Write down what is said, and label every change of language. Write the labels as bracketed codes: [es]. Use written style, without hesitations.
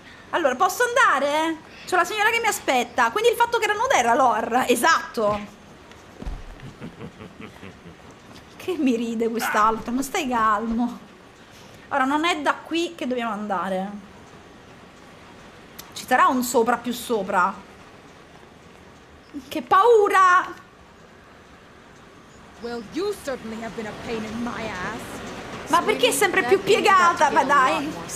[it] Allora, posso andare? C'ho la signora che mi aspetta. Quindi il fatto che era nuda era lore. Esatto. Che mi ride quest'altro, ma stai calmo. Ora, non è da qui che dobbiamo andare. Ci sarà un sopra più sopra. Che paura! [en] Well, you certainly have been a pain in my ass. [it] Ma perché è sempre più piegata? Ma dai!